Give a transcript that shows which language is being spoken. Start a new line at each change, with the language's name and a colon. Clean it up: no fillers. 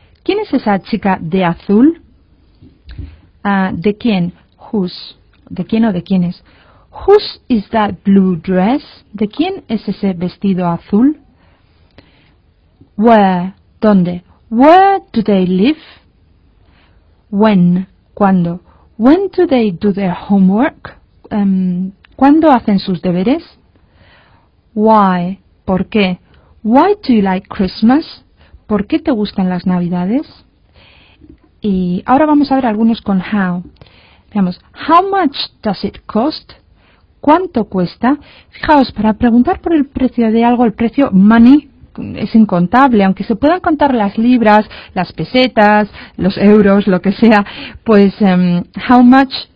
Spanish: ¿Quién es esa chica de azul? ¿De quién? Whose. ¿De quién o de quiénes?
English: Whose is that blue dress?
Spanish: ¿De quién es ese vestido azul?
English: Where, ¿dónde? Where do they live? When, ¿cuándo? When do they do their homework?
Spanish: ¿Cuándo hacen sus deberes? Why, ¿por qué?
English: Why do you like Christmas?
Spanish: ¿Por qué te gustan las Navidades? Y ahora vamos a ver algunos con how.
English: Veamos, how much does it cost?
Spanish: ¿Cuánto cuesta? Fijaos, para preguntar por el precio de algo, el precio money es incontable. Aunque se puedan contar las libras, las pesetas, los euros, lo que sea, pues
English: how much